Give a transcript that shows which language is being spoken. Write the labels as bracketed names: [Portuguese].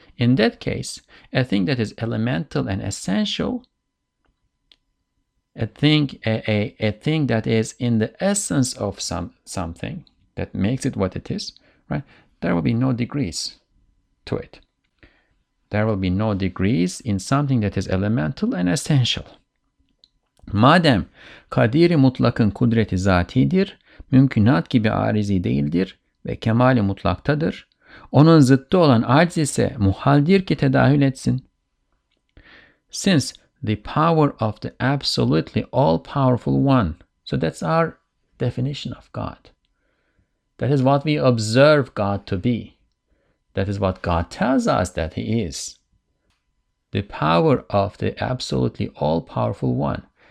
[English] In that case, a thing that is elemental and essential, a thing that is in the essence of something that makes it what it is, right? There will be no degrees to it. There will be no degrees in something that is elemental and essential. [Turkish] Madem kadiri mutlakın kudreti zatidir, mümkünat gibi arizi değildir ve kemali mutlaktadır. Onun zıttı olan arz ise muhaldir ki tedahül etsin. [English] Since the power of the absolutely all-powerful one. So that's our definition of God. That is what we observe God to be. That is what God tells us that he is. The power of the absolutely all-powerful one.